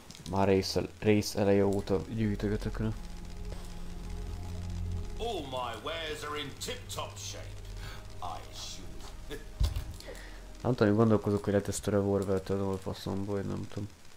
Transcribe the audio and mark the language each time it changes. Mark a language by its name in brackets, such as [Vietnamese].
[Hungarian] Már rész eleje óta gyűjtögetök, ne? [English] All my wares are in tip-top shape, I assume. [Hungarian] Nem tudom, gondolkozok, hogy lehet ezt a revolvert adom a faszomból, nem tudom.